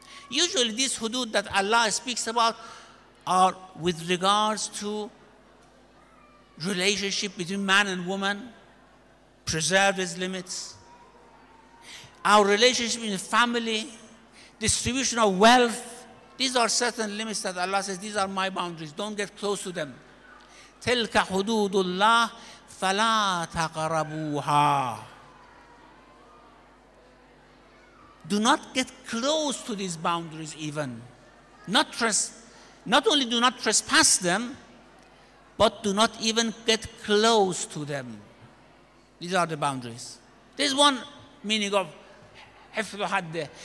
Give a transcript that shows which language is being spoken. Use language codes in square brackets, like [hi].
[en] Usually, these hudud that Allah speaks about are with regards to relationship between man and woman, preserve his limits. Our relationship in the family, distribution of wealth, these are certain limits that Allah says, these are my boundaries, don't get close to them. [ar] تلك حدود الله فلا تقربوها. [en] Do not get close to these boundaries even. Not only do not trespass them, but do not even get close to them. These are the boundaries. There's one meaning of حفظ حد.